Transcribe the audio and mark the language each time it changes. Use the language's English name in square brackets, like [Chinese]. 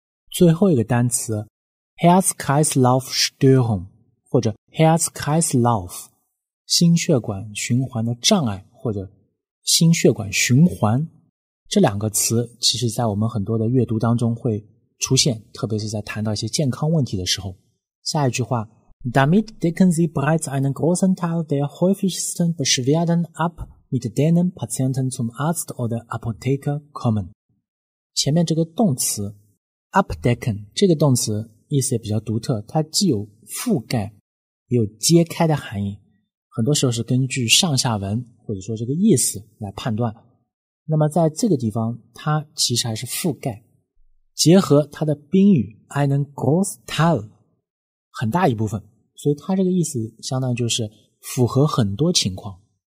[Chinese] 最后一个单词 Herzkreislaufstörung 或者 Herzkreislauf 心血管循环的障碍，或者心血管循环，这两个词其实在我们很多的阅读当中会出现，特别是在谈到一些健康问题的时候。下一句话， [German] Damit decken Sie bereits einen großen Teil der häufigsten Beschwerden ab, mit denen Patienten zum Arzt oder Apotheker kommen。 [Chinese] 前面这个动词 abdecken， 这个动词意思也比较独特，它既有覆盖也有揭开的含义，很多时候是根据上下文或者说这个意思来判断。那么在这个地方它其实还是覆盖，结合它的宾语 [German] einen großen Teil [Chinese] 很大一部分，所以它这个意思相当于就是符合很多情况。